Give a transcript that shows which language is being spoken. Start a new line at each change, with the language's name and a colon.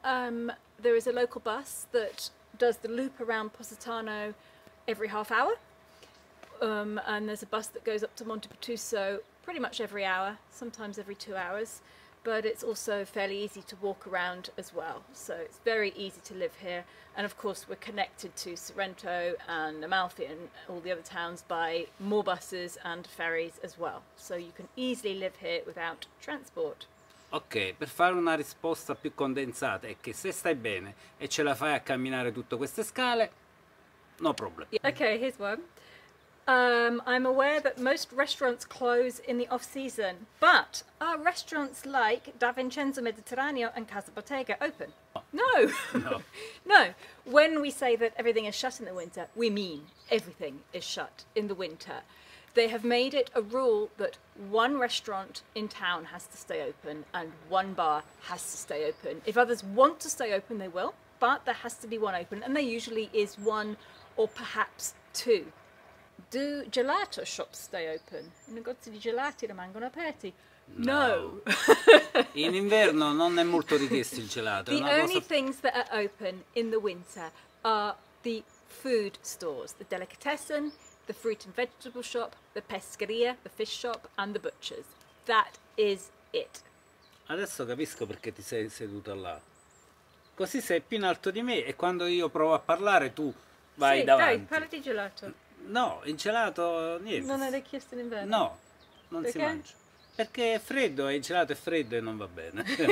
English: There is a local bus that does the loop around Positano every half hour, and there's a bus that goes up to Monte Pertuso pretty much every hour, sometimes every 2 hours, but it's also fairly easy to walk around as well, so it's very easy to live here. And of course we're connected to Sorrento and Amalfi and all the other towns by more buses and ferries as well, so you can easily live here without transport.
Italian: Ok, per fare una risposta più condensata è che se stai bene e ce la fai a camminare tutte queste scale, no problem.
English: Ok, here's one. I'm aware that most restaurants close in the off-season, but are restaurants like Da Vincenzo Mediterraneo and Casa Bottega open? No! No. No. When we say that everything is shut in the winter, we mean everything is shut in the winter. They have made it a rule that one restaurant in town has to stay open and one bar has to stay open. If others want to stay open, they will, but there has to be one open, and there usually is one or perhaps two.
Italian: Do gelato shops stay open? I negozi di gelati rimangono aperti? No. In inverno non è molto richiesto il gelato.
English: The only things that are open in the winter are the food stores, the delicatessen, the fruit and vegetable shop, the pescheria, the fish shop, and the butchers. That is it.
Italian: Adesso capisco perché ti sei seduta là. Così sei più in alto di me e quando io provo a parlare tu vai sì, davanti. Sì, dai, parla di gelato. No, in gelato niente. Non è richiesto in inverno? No, non perché? Si mangia. Perché è freddo, il gelato è freddo e non va bene.